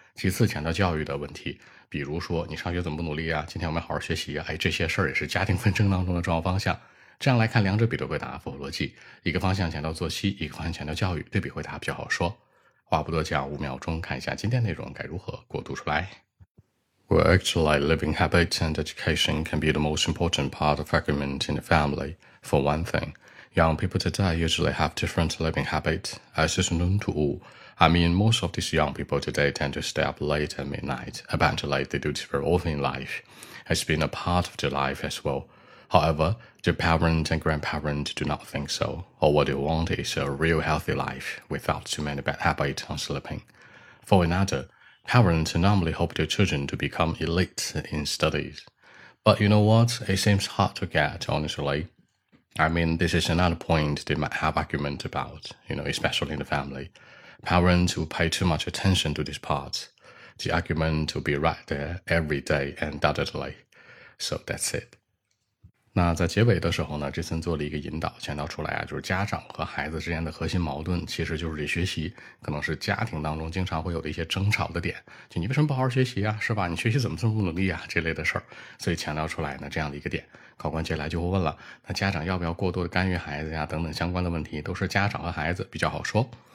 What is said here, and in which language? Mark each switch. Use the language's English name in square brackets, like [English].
[Chinese] 其次强调教育的问题，比如说你上学怎么不努力啊，今天我们好好学习啊，哎，这些事儿也是家庭纷争当中的重要方向。这样来看两者比对会答符合逻辑，一个方向强调作息，一个方向强调教育，对比回答比较好说。话不多讲，五秒钟看一下今天内容该如何过渡出来。 [English] Well, actually, living habits and education can be the most important part of argument in the family. For one thing, young people today usually have different living habits, as is known to all. I mean, most of these young people today tend to stay up late at midnight, apparently they do this very often in life. It's been a part of their life as well. However, their parents and grandparents do not think so, or what they want is a real healthy life without too many bad habits on sleeping. For another,Parents normally hope their children to become elite in studies. But you know what? It seems hard to get, honestly. I mean, this is another point they might have argument about, you know, especially in the family. Parents who pay too much attention to this part. The argument will be right there every day, undoubtedly. So that's it. [Chinese] 那在结尾的时候呢，这次做了一个引导，强调出来啊，就是家长和孩子之间的核心矛盾其实就是这学习，可能是家庭当中经常会有的一些争吵的点，就你为什么不好好学习啊，是吧，你学习怎么这么不努力啊，这类的事儿。所以强调出来呢这样的一个点，考官接下来就会问了，那家长要不要过多的干预孩子呀，等等相关的问题，都是家长和孩子比较好说。